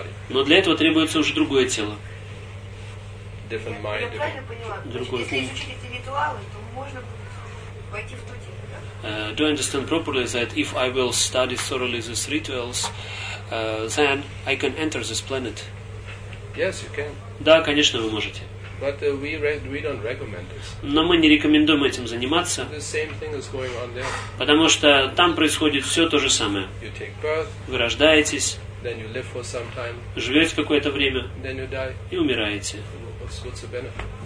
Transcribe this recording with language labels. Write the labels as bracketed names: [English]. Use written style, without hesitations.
[Russian] Но для этого требуется уже другое тело. [English] Different mind, different... [Russian] Я правильно поняла? Другой... Если изучить эти ритуалы, то можно войти в то тело, да? [English] Do I understand properly that if I will study thoroughly these rituals, then I can enter this planet? Yes, you can. [Russian] Да, конечно, вы можете. [English] But we don't recommend this. [Russian] Но мы не рекомендуем этим заниматься. [English] The same thing is going on there. [Russian] Потому что там происходит все то же самое. [English] You take birth, [Russian] вы рождаетесь, [English] then you live for some time, [Russian] живете какое-то время, [English] then you die. [Russian] И умираете. [English] What's the benefit?